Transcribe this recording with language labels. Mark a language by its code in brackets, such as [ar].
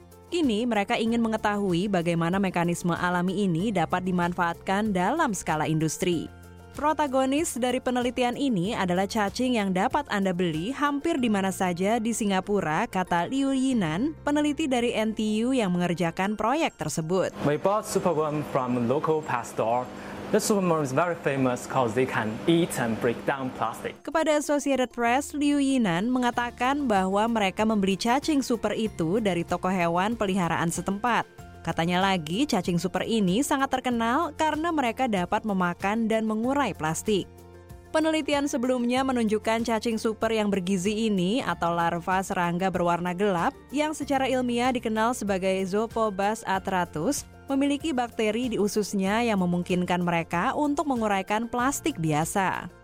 [id] Kini mereka ingin mengetahui bagaimana mekanisme alami ini dapat dimanfaatkan dalam skala industri. Protagonis dari penelitian ini adalah cacing yang dapat Anda beli hampir di mana saja di Singapura, kata Liu Yinan, peneliti dari NTU yang mengerjakan proyek tersebut. [en] We bought superworm from a local pet store. The superworm is very famous because they can eat and break down plastic. [id] Kepada Associated Press, Liu Yinan mengatakan bahwa mereka membeli cacing super itu dari toko hewan peliharaan setempat. Katanya lagi, cacing super ini sangat terkenal karena mereka dapat memakan dan mengurai plastik. Penelitian sebelumnya menunjukkan cacing super yang bergizi ini atau larva serangga berwarna gelap yang secara ilmiah dikenal sebagai Zoophobos atratus memiliki bakteri di ususnya yang memungkinkan mereka untuk menguraikan plastik biasa.